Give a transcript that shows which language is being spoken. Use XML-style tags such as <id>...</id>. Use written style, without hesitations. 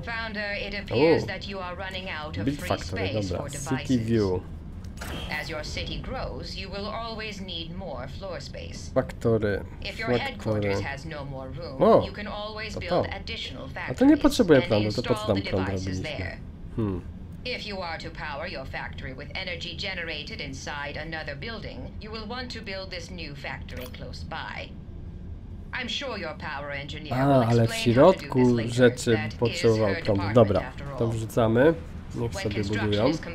<en>Founder, it appears that you are running out of free space for devices. City view. As your city grows, you will always need more floor space.</en> <pl>Faktory.</pl> <en>If your headquarters has no more room, you can always build additional factories.</en> <pl>A to nie potrzebuje prądu, to po co tam prąd robiliśmy?</pl> <en>If you are to power your factory with energy generated inside another building, you will want to build this new factory close by. I'm sure your power engineer will explain.</en> <pl>Ale w środku rzeczy potrzebował prądu. Dobra, to wrzucamy. Niech sobie budują.</pl>